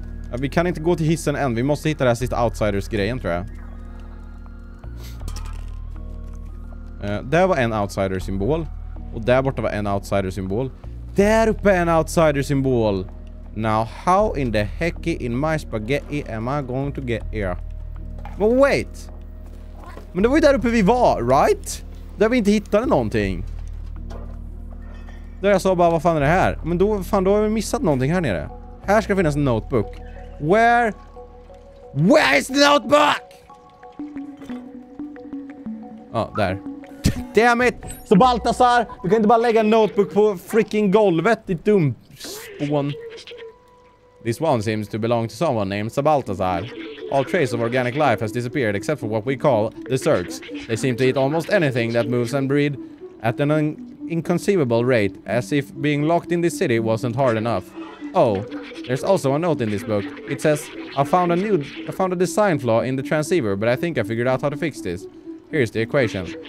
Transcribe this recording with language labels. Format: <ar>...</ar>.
<sv>Ja, vi kan inte gå till hissen än. Vi måste hitta det här sista outsiders-grejen, tror jag. Där var en outsider-symbol. Och där borta var en outsider-symbol. Där uppe är en outsider-symbol.</sv> <en>Now, how in the heck in my spaghetti am I going to get here? But wait!</en> <sv>Men det var ju där uppe vi var, right? Där vi inte hittade någonting. Där jag sa bara, vad fan är det här? Men då, fan, då har vi missat någonting här nere. Här ska finnas en notebook.</sv> <en>Where is the notebook?</en> <sv>Ja, där.</sv> <en>Damn it!</en> <sv>Så Baltasar, du kan inte bara lägga en notebook på freaking golvet, ditt dumspån.</sv> <en>This one seems to belong to someone named Sabaltasar. All trace of organic life has disappeared except for what we call the Zergs. They seem to eat almost anything that moves and breed at an inconceivable rate, as if being locked in this city wasn't hard enough. Oh, there's also a note in this book. It says, I found a design flaw in the transceiver, but I think I figured out how to fix this. Here's the equation.</en>